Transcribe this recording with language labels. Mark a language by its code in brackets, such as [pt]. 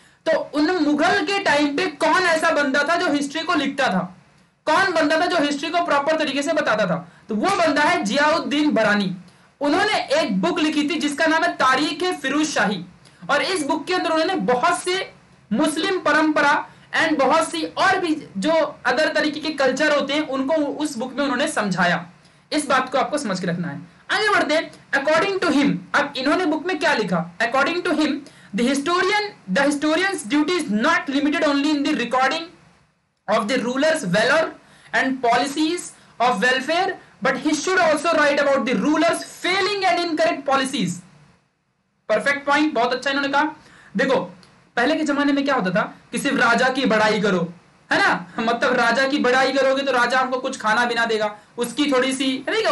[hi] तो उन मुगल के टाइम पे कौन ऐसा बंदा था जो हिस्ट्री को लिखता था, कौन बंदा था जो हिस्ट्री को प्रॉपर तरीके से बताता था, तो वो बंदा है जियाउद्दीन बरानी। उन्होंने एक बुक लिखी थी जिसका नाम है तारीख फिरुज शाही, और इस बुक के अंदर उन्होंने बहुत से मुस्लिम परंपरा एंड बहुत सी और भी जो अदर तरीके के कल्चर होते हैं उनको उस बुक में उन्होंने समझाया, इस बात को आपको समझ के रखना है। आगे बढ़ते हैं, अकॉर्डिंग टू हिम, अब इन्होंने बुक में क्या लिखा, [en] According to him The historian's duty is not limited only in the recording of the ruler's valor and policies of welfare, but he should also write about the rulers failing and incorrect policies. [hi] Perfect point, बहुत अच्छा इन्होंने कहा. देखो पहले के जमाने में क्या होता था कि सिर्फ राजा की बड़ाई करो, है ना, मतलब राजा की बड़ाई करोगे तो राजा आपको कुछ खाना भी ना देगा, उसकी थोड़ी सी नहीं का?